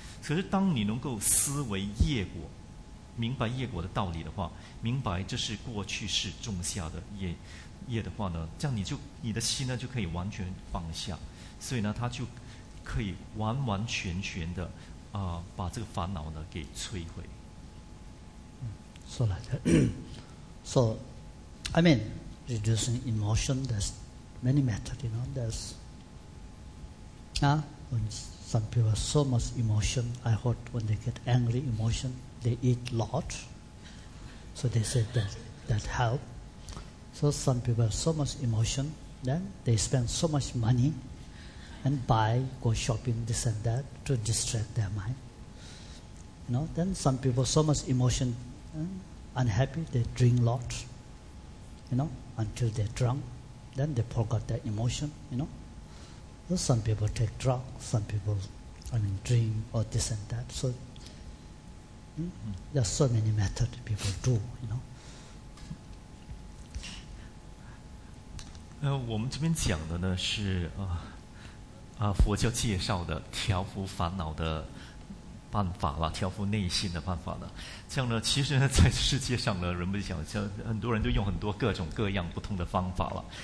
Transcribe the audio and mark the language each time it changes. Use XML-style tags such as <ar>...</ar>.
<zh>可是当你能够思维业果。明白业果的道理的话，明白这是过去世种下的业的话呢，这样你的心呢就可以完全放下，所以呢，他就可以完完全全的把这个烦恼呢给摧毁。</zh> <en>So like that. So, I mean, reducing emotion, there's many methods, you know. There's when some people have so much emotion, I heard when they get angry emotion. They eat a lot, so they said that help. So some people have so much emotion, then they spend so much money and buy, go shopping, this and that, to distract their mind. You know, then some people have so much emotion, unhappy, they drink a lot, you know, until they're drunk, then they forgot their emotion, you know. So some people take drugs, some people, drink or this and that. So,There are so many methods people do, you know.</en> <zh>我们这边讲的呢是佛教介绍的调伏烦恼的办法了，调伏内心的办法了。这样呢，其实呢，在世界上呢，人们讲，很多人都用很多各种各样不同的方法了。</zh>